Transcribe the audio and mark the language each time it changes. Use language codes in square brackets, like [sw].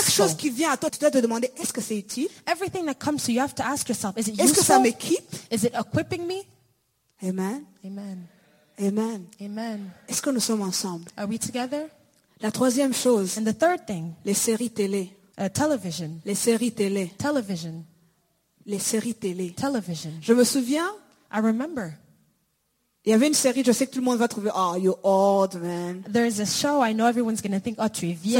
[fr] Chaque chose qui vient à toi, tu dois te demander est-ce que c'est utile? [en] Everything that comes to you, you have to ask yourself, is it [fr] est-ce Est-ce que ça m'équipe? [en] Is it equipping me? [fr] Amen. [en] Amen. [fr] Amen. [en] Amen. [fr] Est-ce que nous sommes ensemble? [en] Are we together? [fr] La troisième chose. [en] And the third thing. [fr] Les séries télé. [en] Television. [fr] Les séries télé. [en] Television. [fr] Les séries télé. [en] Television. [fr] Je me souviens. [en] I remember. [fr] Il y avait une série, je sais que tout le monde va trouver, [en] oh, you're old, man. There is a show I know everyone's going to think, oh, [fr] tu es vieille.